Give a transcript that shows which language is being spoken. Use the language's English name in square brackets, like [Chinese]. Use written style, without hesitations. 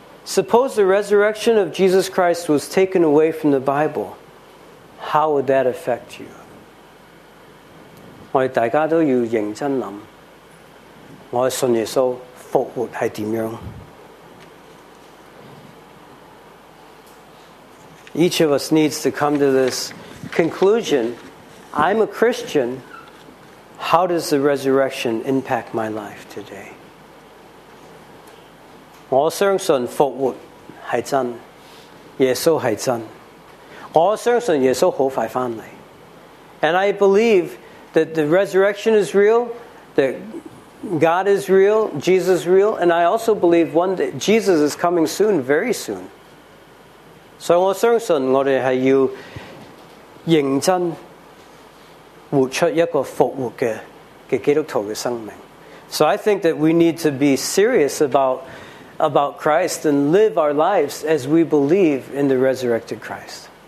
[English] Suppose the resurrection of Jesus Christ was taken away from the Bible. How would that affect you? [Chinese] 我们大家都要认真想我信耶稣复活是怎样 [English] Each of us needs to come to this conclusion. I'm a Christian. How does the resurrection impact my life today? [Chinese] 我相信复活是真，耶稣是真。我相信耶稣好快回来。 [English] And I believe that the resurrection is real, that God is real, Jesus is real, and I also believe one day Jesus is coming soon, very soon. [Chinese] So 我相信我们是要认真活出一个复活的基督徒的生命。 [English] So I think that we need to be serious about Christ and live our lives as we believe in the resurrected Christ.